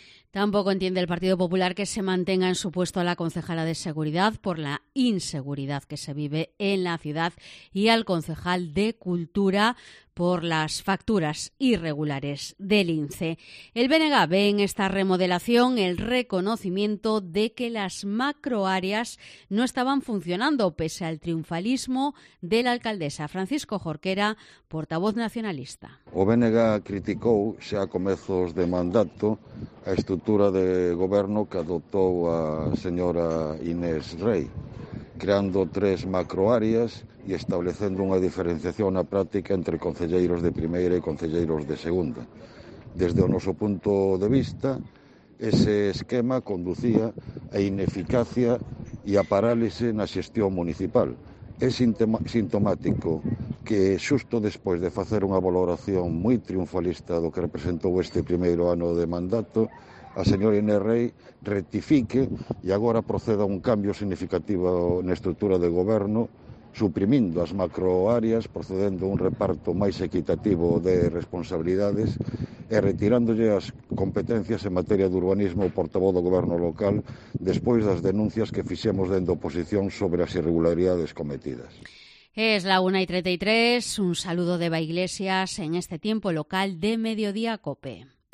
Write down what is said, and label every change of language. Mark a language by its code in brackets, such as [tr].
[es] Tampoco entiende el Partido Popular que se mantenga en su puesto a la concejala de Seguridad por la inseguridad que se vive en la ciudad y al concejal de Cultura por las facturas irregulares del INCE. El BNG ve en esta remodelación el reconocimiento de que las macroáreas no estaban funcionando pese al triunfalismo de la alcaldesa. Francisco Jorquera, portavoz nacionalista. [gl] O BNG criticou xa a comezos de mandato a estrutura de goberno que adoptou a señora Inés Rey, creando 3 macroáreas e establecendo unha diferenciación na práctica entre concelleiros de primeira e concelleiros de segunda. Desde o noso punto de vista, ese esquema conducía a ineficacia e a parálise na xestión municipal. É sintomático que xusto despois de facer unha valoración moi triunfalista do que representou este primeiro ano de mandato, a señora Inés Rey rectifique e agora proceda a un cambio significativo na estrutura de goberno, suprimindo as macroáreas, procedendo a un reparto máis equitativo de responsabilidades e retirándolle as competencias en materia de urbanismo ao portavoz do goberno local despois das denuncias que fixemos dende oposición sobre as irregularidades cometidas. [es] Es la 1:33, un saludo de Eva Iglesias en este tiempo local de Mediodía COPE.